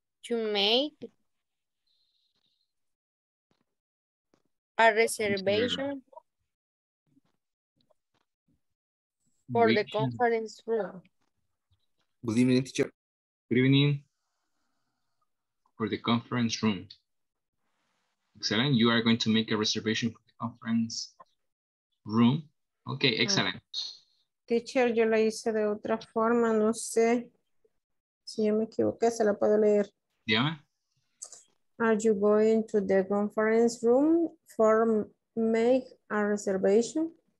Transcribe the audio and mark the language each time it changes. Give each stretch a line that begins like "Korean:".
English: to make a reservation for the conference room. Good evening, teacher. Good evening. For the conference room. Excellent. You are going to make a reservation for the conference room. Okay, excellent. Teacher,
Spanish: yo la hice de otra forma. No sé si yo me equivoqué, se la puedo leer. Dígame.
English: Are you going to the conference room for make a reservation?